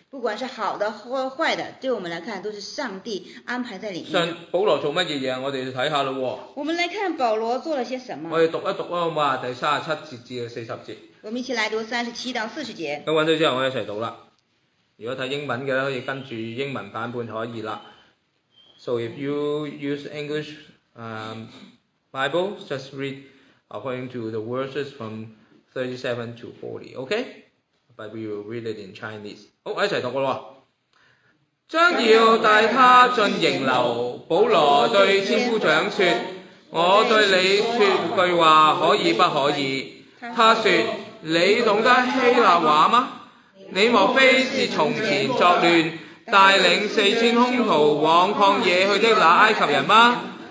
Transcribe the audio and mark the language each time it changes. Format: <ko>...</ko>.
<zh>不管是好的或坏的，对我们来看都是上帝安排在里面。上保罗做什么事我们看看了。我们来看保罗做了些什么。我们读一读好吗？第三十七节至四十节。我们一起来读三十七到四十节。那找到之后我们一起读了。如果看英文的可以跟住英文版本可以了。</zh> <en>So if you use English Bible, just read according to the verses from 37 to 40, okay? But we will read it in Chinese.</en> <zh>好，我一起读噶咯。将要带他进营楼，保罗对千夫长说：我对你说句话可以不可以？他说：你懂得希腊话吗？你莫非是从前作乱，带领四千凶徒往旷野去的那埃及人吗？</zh>